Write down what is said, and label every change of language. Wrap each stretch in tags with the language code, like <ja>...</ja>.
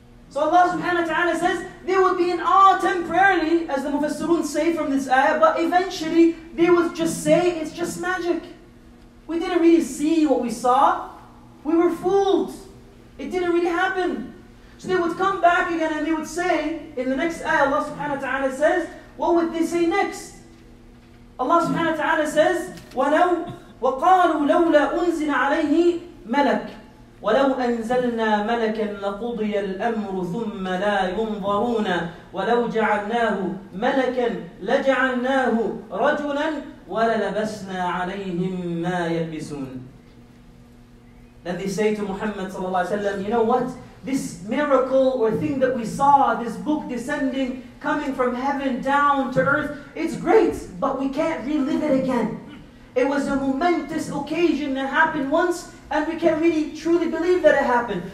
<en>So Allah subhanahu wa ta'ala says, they would be in awe temporarily, as the Mufassirun say from this ayah, but eventually they would just say, it's just magic. We didn't really see what we saw. We were fooled. It didn't really happen. So they would come back again and they would say, in the next ayah, Allah subhanahu wa ta'ala says, what would they say next?</en> <ar>Allah subhanahu wa ta'ala says, وَقَالُوا لَوْلَا أُنزِلَ عَلَيْهِ مَلَكٌ وَلَوْ أَنزَلْنَا مَلَكًا لَقُضِيَ الْأَمْرُ ثُمَّ لَا يُنظَرُونَ وَلَوْ جَعَلْنَاهُ مَلَكًا لَجَعَلْنَاهُ رَجُلًا وَلَلَبَسْنَا عَلَيْهِمْ مَا يَلْبِسُونَ.</ar> <en>Then they say to Muhammad</en> <ar>صلى الله عليه وسلم,</ar> <en>you know what? This miracle or thing that we saw, this book descending, coming from heaven down to earth, it's great, but we can't relive it again. It was a momentous occasion that happened once, and we can't really truly believe that it happened.</en>